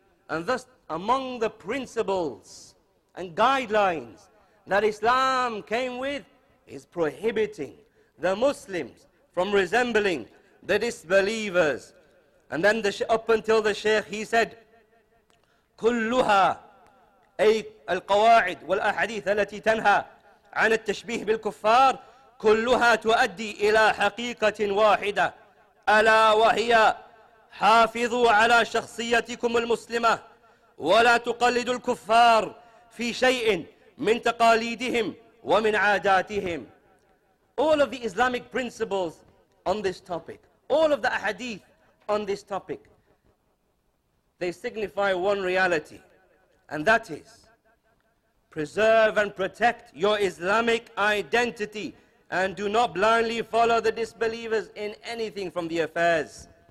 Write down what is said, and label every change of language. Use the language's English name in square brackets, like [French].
[English] And thus, among the principles and guidelines that Islam came with is prohibiting the Muslims from resembling the disbelievers. And then up until the Shaykh, he said, [Arabic] كُلُّهَا أي القواعد والأحاديث التي تنهى عن التشبيه بالكفار كلها تؤدي إلى حقيقة واحدة ألا وهي حافظوا على شخصيتكم المسلمة ولا تقلدوا الكفار في شيء من تقاليدهم ومن عاداتهم. [English] All of the Islamic principles on this topic, all of the ahadith on this topic, they signify one reality, and that is preserve and protect your Islamic identity and do not blindly follow the disbelievers in anything from the affairs.